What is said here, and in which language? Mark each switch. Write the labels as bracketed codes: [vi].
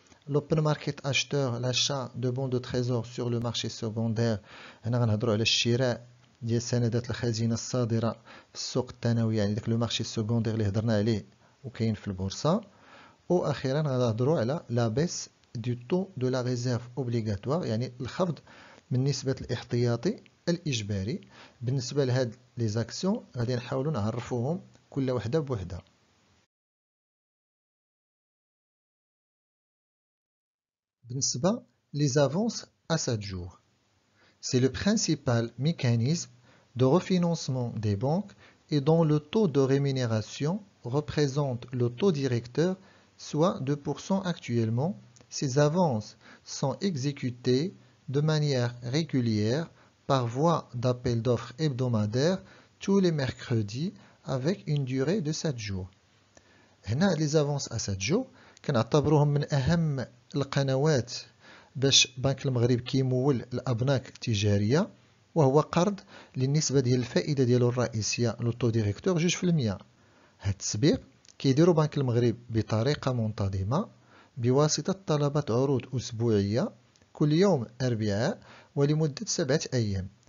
[fr] l'open market acheteur l'achat de bons de trésor sur le marché secondaire [ar] هنا غنهضروا على الشراء ديال سندات الخزينه الصادره في السوق الثانوي يعني داك لو مارشي سيكوندير اللي هضرنا عليه وكاين في البورصه، واخيرا غنهضروا على [fr] la baisse du taux de la réserve obligatoire [ar] يعني الخفض من نسبه الاحتياطي الاجباري. بالنسبه لهاد لي زاكسيون غادي نحاولوا نعرفوهم كل وحده بوحده. [fr] بالنسبة les avances à 7 jours c'est le principal mécanisme de refinancement des banques et dont le taux de rémunération représente le taux directeur soit 2% actuellement. Ces avances sont exécutées de manière régulière par voie d'appel d'offres hebdomadaire tous les mercredis avec une durée de 7 jours. [ar] هنا [fr] les avances à 7 jours [ar] كنعتبروهم من أهم القنوات باش بنك المغرب كيمول الأبناك التجارية، وهو قرض للنسبة ديال الفائدة ديالو الرئيسية لطو ديريكتور 2%. هاد التسبيق كيديرو بنك المغرب بطريقة منتظمة بواسطة طلبات عروض أسبوعية كل يوم أربعاء ولمدة 7 أيام.